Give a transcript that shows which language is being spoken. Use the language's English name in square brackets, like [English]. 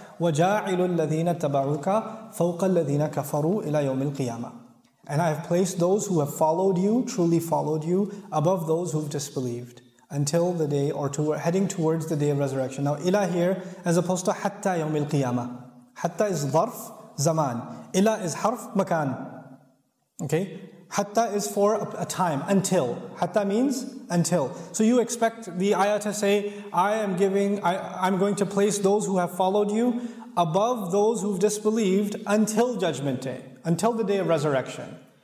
[Arabic] وَجَاعِلُ الَّذِينَ تَبَعُكَ فَوْقَ الَّذِينَ كَفَرُوا إِلَى يَوْمِ الْقِيَامَةِ. [English] And I have placed those who have followed you, truly followed you, above those who have disbelieved until the day, or to, heading towards the day of resurrection. Now, إِلَى here, as opposed to [Arabic] حَتَّى يَوْمِ الْقِيَامَةِ. حَتَّى is ظَرْف, زَمَان. إِلَى is حَرْف, مَكَان. [English] Okay, hatta is for a time, until. Hatta means until. So you expect the ayah to say, I'm going to place those who have followed you above those who've disbelieved until judgment day, until the day of resurrection.